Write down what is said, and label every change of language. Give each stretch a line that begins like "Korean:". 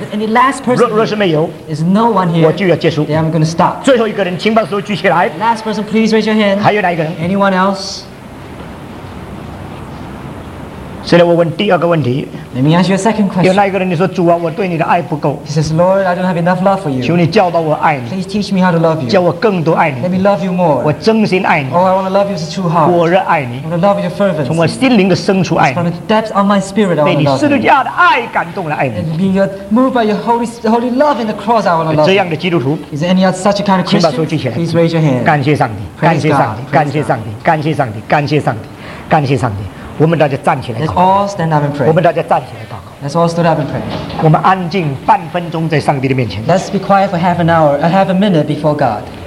English: ？Any last person？
Chinese: 若是没有
English: ，is no one here。
Chinese: 我就要结束。
English: Then I'm going to stop。
Chinese: 最后一个人，请把手举起来。
English: Last person, please raise your hand。
Chinese: 还有哪一个人
English: ？Anyone else？
Chinese: 现在我问第二个问题。
English: Let me ask you a second question.
Chinese: 有哪一个人你说主啊，我对你的爱不够。
English: He says, Lord, I don't have enough love for you.
Chinese: 求你教导我爱你。
English: Please teach me how to love you.
Chinese: 教我更多爱你。
English: Let me love you more.
Chinese: 我真心爱你。
English: Oh, I want to love you with a true heart.
Chinese: 我热爱你。
English: I want to love you fervently.
Chinese: 从我心灵的深处爱你。
English: From the depths of my spirit, I want to love you.
Chinese: 被你十字架的爱感动了爱你。
English: And being moved by your holy love in the cross, I want to love you.
Chinese: 这样的基督徒。
English: Is there any such kind of Christian?
Chinese: 请把手举起来。
English: Please raise your hand.
Chinese: 感谢上帝，感谢上帝，感谢上帝，感谢上帝，感谢上帝，感谢上帝。我们大家站起来祷告。
English: Let's all stand up and pray.
Chinese: 我们大家站起来祷告。
English: Let's all stand up and pray.
Chinese: 我们安静半分钟在上帝的面前。
English: Let's be quiet for half an hour, half a minute before God.